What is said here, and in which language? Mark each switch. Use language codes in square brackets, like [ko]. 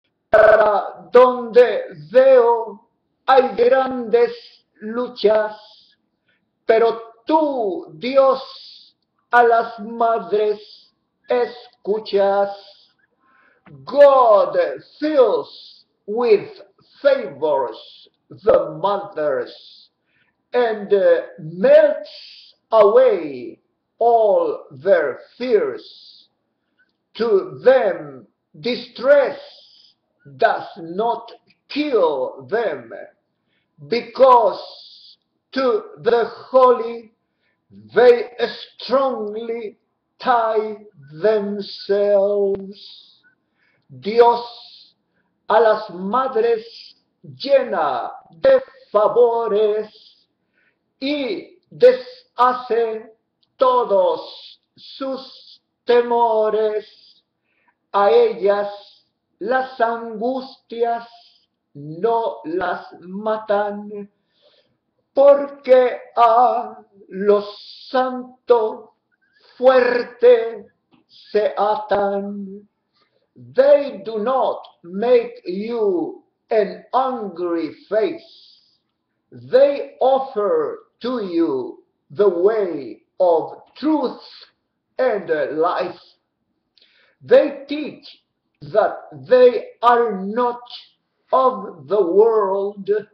[es] Para donde veo hay grandes luchas, pero tú, Dios, a las madres escuchas. [en] God fills with favors the mothers and melts away all their fears. To them, distress does not kill them, because to the holy they strongly tie themselves. [es] Dios a las madres llena de favores y deshace todos sus temores. A ellas las angustias no las matan, porque a lo santo fuerte se atan. [en] They do not make you an angry face. They offer to you the way of truth and life. They teach that they are not of the world.